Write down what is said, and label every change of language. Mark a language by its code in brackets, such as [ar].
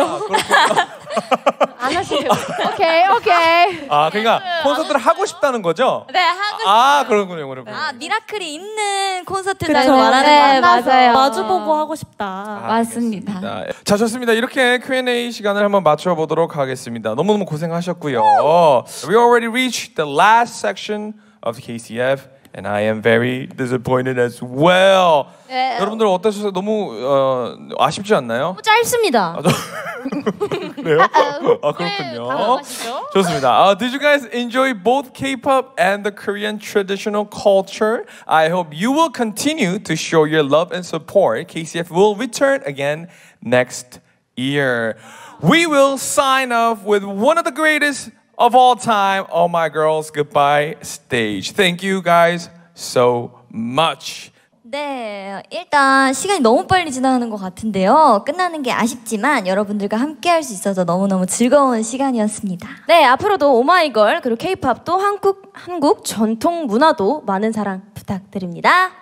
[ko] 아, 안 오시려고. 오케이, 오케이. 아, 그러니까 콘서트를 하고 싶다는 거죠? 네, 하고 싶어요. 아, 그런군요, 여러분. 아, 미라클이 있는 콘서트장을 말하는 거 네, 맞아요. 마주보고 하고 싶다. 아, 맞습니다. 알겠습니다. 자, 좋습니다. 이렇게 Q&A 시간을 한번 맞춰 보도록 하겠습니다. 너무너무 고생하셨고요. [en] We already reached the last section of KCF. And I am very disappointed as well. [ko] 여러분들 어떠셨어요? 너무 아쉽지 않나요? 너무 짧습니다. 그래요? 아, 그렇군요. 네, 좋습니다. [en] Did you guys enjoy both K-pop and the Korean traditional culture? I hope you will continue to show your love and support. KCF will return again next year. We will sign off with one of the greatest of all time, Oh My Girls Goodbye Stage. Thank you guys so much. [ko] 네, 일단 시간이 너무 빨리 지나가는 것 같은데요. 끝나는 게 아쉽지만 여러분들과 함께할 수 있어서 너무너무 즐거운 시간이었습니다. 네, 앞으로도 오마이걸 그리고 케이팝도 한국 전통 문화도 많은 사랑 부탁드립니다.